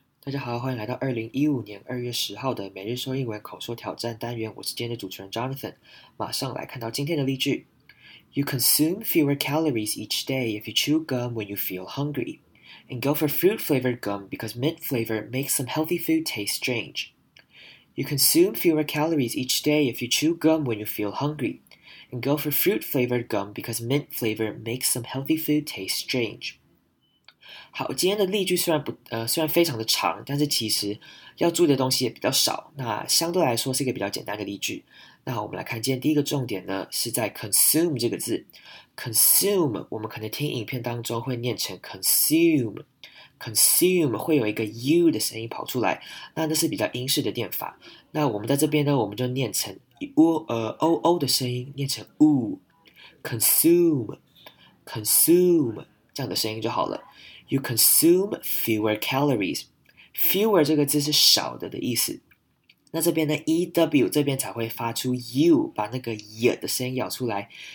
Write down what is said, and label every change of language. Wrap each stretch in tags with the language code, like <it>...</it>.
<zh>大家好，欢迎来到2015年2月10号的每日说英文口说挑战单元。我是今天的主持人 Jonathan。马上来看到今天的例句。</zh> <en>You consume fewer calories each day if you chew gum when you feel hungry, and go for fruit-flavored gum because mint flavor makes some healthy food taste strange. You consume fewer calories each day if you chew gum when you feel hungry, and go for fruit-flavored gum because mint flavor makes some healthy food taste strange.</en> <zh>好，今天的例句虽然非常的长，但是其实要注意的东西也比较少，那相对来说是一个比较简单的例句。那我们来看今天第一个重点呢，是在 consume 这个字。 consume 我们可能听影片当中会念成 consume 会有一个 u 的声音跑出来，那是比较英式的念法。那我们在这边呢，我们就念成 oo 的声音，念成 consume 这样的声音就好了。</zh> <en>You consume fewer calories.</en> <zh>Fewer 这个字是少的的意思。那这边呢 ,EW 这边才会发出 U, 把那个 Y 的声音咬出来。</zh>